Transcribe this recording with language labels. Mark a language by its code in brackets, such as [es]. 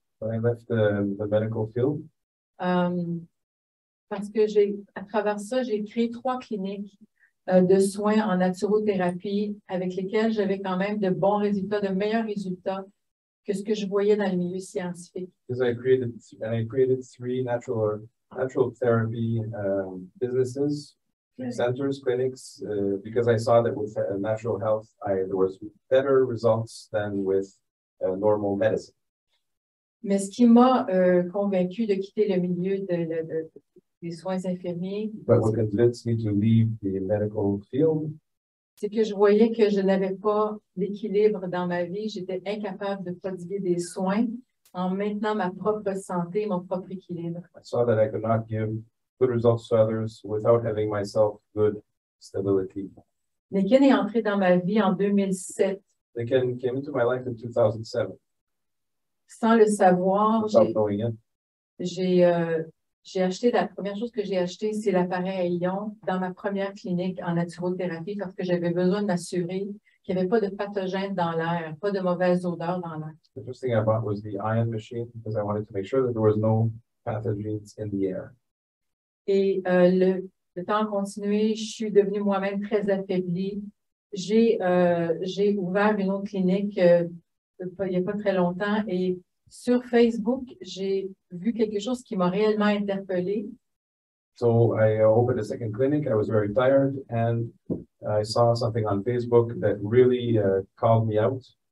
[en] But I left the medical field. [fr] Parce que j'ai, à travers ça, j'ai créé 3 cliniques de soins en naturothérapie avec lesquelles j'avais quand même de bons résultats, de meilleurs résultats que ce que je voyais dans le milieu scientifique. [en] Because I created 3 natural therapy businesses, centers, clinics, because I saw that with natural health, there was better results than with normal medicine. [fr] Mais ce qui m'a convaincu de quitter le milieu des soins infirmiers, [en] but what convinced me to leave the medical field, [fr] c'est que je voyais que je n'avais pas d'équilibre dans ma vie. J'étais incapable de prodiguer des soins en maintenant ma propre santé, mon propre équilibre. [en] I saw that I could not give good results to others without having myself good stability. [fr] Lincoln est entré dans ma vie en 2007. [en] Lincoln came into my life in 2007. [fr] Sans le savoir, j'ai acheté, la première chose que j'ai acheté, c'est l'appareil à ion dans ma première clinique en naturothérapie parce que j'avais besoin de m'assurer qu'il n'y avait pas de pathogènes dans l'air, pas de mauvaises odeurs dans l'air. [en] The first thing I bought was the ion machine because I wanted to make sure that there was no pathogens in the air. [fr] Et le temps a continué, je suis devenue moi-même très affaiblie. J'ai ouvert une autre clinique il n'y a pas très longtemps. Et sur Facebook, j'ai vu quelque chose qui m'a réellement interpellée. [en] So I opened a second clinic. I was very tired and I saw something on Facebook that really called me out.